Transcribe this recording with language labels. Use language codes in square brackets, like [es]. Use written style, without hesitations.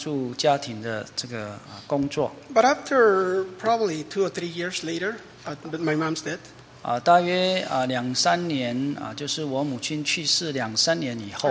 [zh] 努力的读书，并且呢，做工，帮助家庭的这个工作。 [en] But after probably 2 or 3 years later, my mom's dead. [zh] 大约两三年，就是我母亲去世两三年以后。